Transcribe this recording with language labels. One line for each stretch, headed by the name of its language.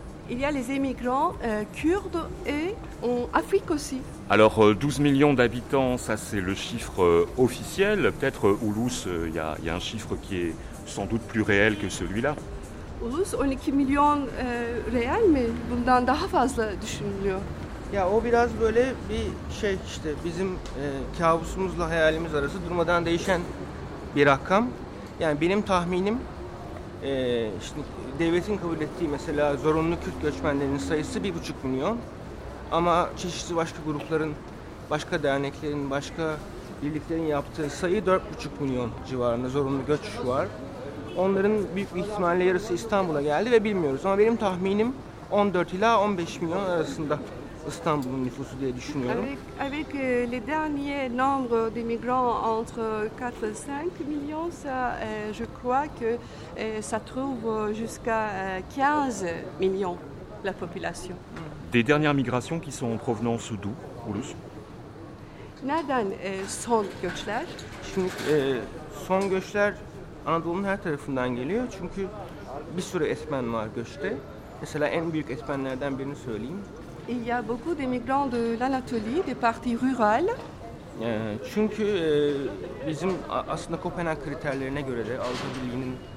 French: Il y a les immigrants kurdes et en Afrique aussi. Alors 12 millions d'habitants, ça c'est le chiffre officiel. Peut-être Ulus, il y a un chiffre qui est sans doute plus réel que celui-là.
Turkish: Ulus 12 milyon real mi? Bundan daha fazla düşünülüyor. Ya o biraz böyle bir şey işte bizim kabusumuzla hayalimiz arası durmadan değişen bir rakam. Yani benim tahminim işte devletin kabul ettiği mesela zorunlu Kürt göçmenlerinin sayısı 1,5 milyon. Ama çeşitli başka grupların, başka derneklerin, başka birliklerin yaptığı sayı 4,5 milyon civarında zorunlu göç var. Onların büyük bir ihtimalle yarısı İstanbul'a geldi ve bilmiyoruz. Ama benim tahminim 14 ila 15 milyon arasında İstanbul'un nüfusu diye düşünüyorum.
French: Avec les derniers nombres d'immigrants entre 4 et 5 millions, ça, je crois que ça trouve jusqu'à 15 millions la population. Des dernières migrations qui sont en provenance d'où, Ulus?
Turkish: Nereden son göçler? Şimdi son göçler Anadolu'nun her tarafından geliyor. Çünkü bir sürü etmen var göçte. Mesela en büyük etmenlerden birini söyleyeyim.
French: Il y a beaucoup d'immigrants de l'Anatolie, des parties rurales.
Turkish: Çünkü bizim aslında Kopenhag kriterlerine göre de Avrupa Birliği'nin